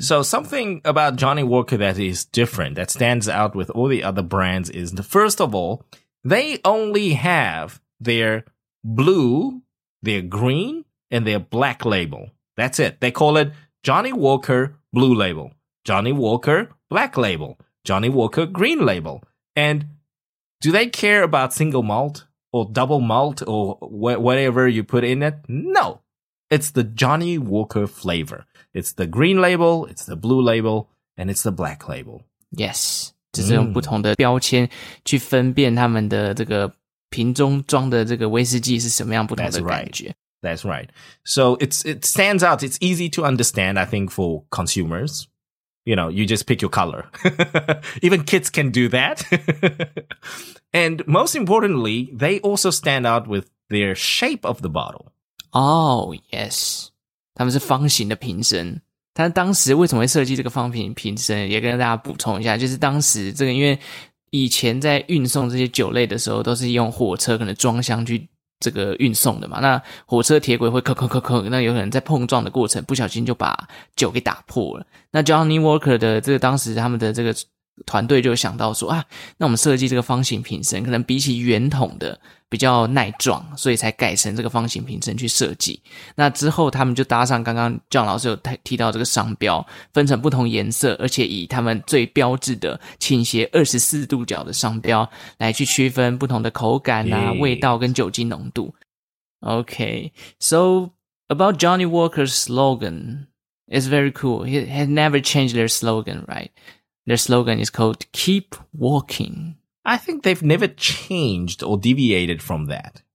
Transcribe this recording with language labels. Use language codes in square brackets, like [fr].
[en] So something about Johnny Walker that is different that stands out with all the other brands is the, first of all they only have their blue their green and their black label that's it they call it Johnny Walker blue label Johnny Walker black label Johnny Walker green label and do they care about single malt or double malt or whatever you put in it? NoIt's the Johnny Walker flavor. It's the green label, it's the blue label, and it's the black label. [zh] Yes, 只是用不同的标签去分辨他们的这个瓶中装的这个威士忌是什么样不同的感觉。 [en] That's right. That's right. So it stands out. It's easy to understand, I think, for consumers. You know, you just pick your color. Even kids can do that. And most importantly, they also stand out with their shape of the bottle. Oh, yes. [zh] 他们是方形的瓶身。他当时为什么会设计这个方形瓶身也跟大家补充一下就是当时这个因为以前在运送这些酒类的时候都是用火车可能装箱去这个运送的嘛。那火车铁轨会咳咳咳咳那有可能在碰撞的过程不小心就把酒给打破了。那 Johnny Walker 的这个当时他们的这个团队就想到说啊那我们设计这个方形瓶身可能比起圆筒的比较耐撞所以才改成这个方形瓶身去设计那之后他们就搭上刚刚 John 老师有提到这个商标分成不同颜色而且以他们最标志的倾斜24度角的商标来去区分不同的口感啊、yes. 味道跟酒精浓度 [en] OK So about Johnny Walker's slogan It's very cool He has never changed their slogan right Their slogan is called Keep Walking I think they've never changed or deviated from that.